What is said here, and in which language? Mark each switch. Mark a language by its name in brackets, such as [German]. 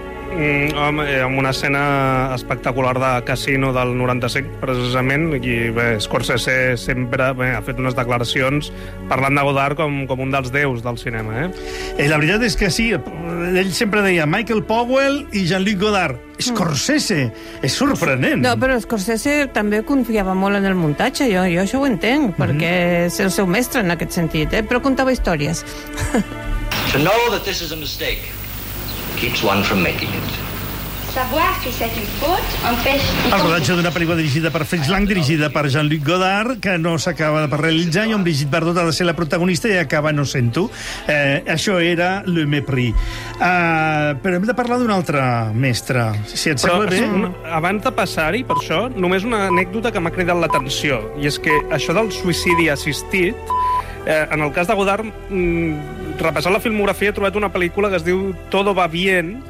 [Catalan] Amb una escena espectacular de Casino del 95, precisament, i bé, Scorsese sempre ha fet unes declaracions parlant de Godard com un dels déus del cinema. La veritat és que sí, ell sempre deia Michael Powell i Jean-Luc Godard. Scorsese, és sorprenent. No, però Scorsese també confiava molt en el muntatge, jo això ho entenc, perquè és el seu mestre en aquest sentit, però contava històries. [English] To know that this is a mistake keeps one from making it. [French] Savoir si c'est une faute, [Catalan] d'una pel·lícula dirigida per Fritz Lang, dirigida per Jean-Luc Godard, que no s'acaba de realitzar, i on Brigitte Bardot ha de ser la protagonista i acaba no sent-ho. Això era Le Mépris. Però hem de parlar d'una altra mestra, si et sembla bé. Abans de passar-hi, per això, només una anècdota que m'ha cridat l'atenció, i és que això del suïcidi assistit, en el cas de Godard, repassant la filmografia, he trobat una pel·lícula que es diu Todo va bien,